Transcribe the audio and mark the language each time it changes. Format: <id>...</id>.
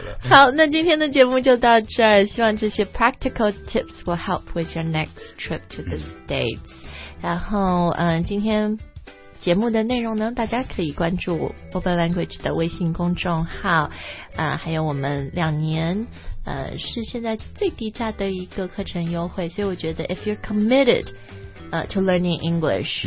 <zh>好，那今天的节目就到这儿。希望这些</zh> <en>practical tips will help with your next trip to the States.</en> <zh>然后，今天节目的内容呢，大家可以关注 Open Language 的微信公众号，还有我们两年。是现在最低价的一个课程优惠，所以我觉得</zh> <en>if you're committed to learning English、</en>